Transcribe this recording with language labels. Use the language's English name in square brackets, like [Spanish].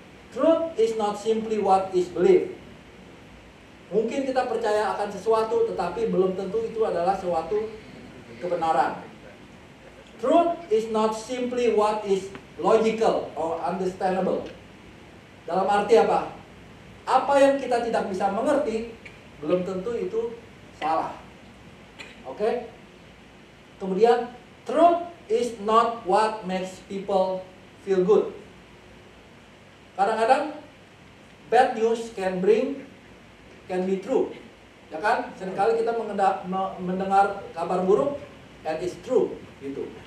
[English] Truth is not simply what is believed. [Indonesian] Mungkin kita percaya akan sesuatu, tetapi belum tentu itu adalah suatu kebenaran. [English] Truth is not simply what is logical or understandable. [Indonesian] Dalam arti apa? Apa yang kita tidak bisa mengerti, belum tentu itu salah. Oke? [English] Kemudian, truth is not what makes people feel good. [Indonesian] Kadang-kadang, [English] bad news can be true. [Indonesian] Ya kan? Seringkali kita mendengar kabar buruk, [English] and it's true. [Indonesian] Gitu.